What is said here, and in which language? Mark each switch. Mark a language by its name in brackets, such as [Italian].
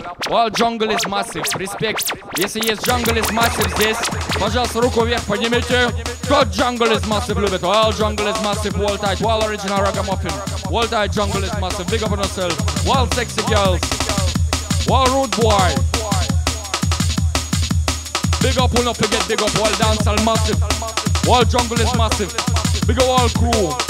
[English] All jungle is massive, respect. [Russian] Если есть jungle is massive здесь, пожалуйста, руку вверх поднимите. Тот [English] jungle is massive [Russian] любит. [English] All jungle is massive, world tight, world original ragamuffin. World tight jungle is massive, big up on yourself. World sexy girls. World rude boy. Big up, will not forget, big up, world dancehall massive. World jungle is massive. Big up all crew.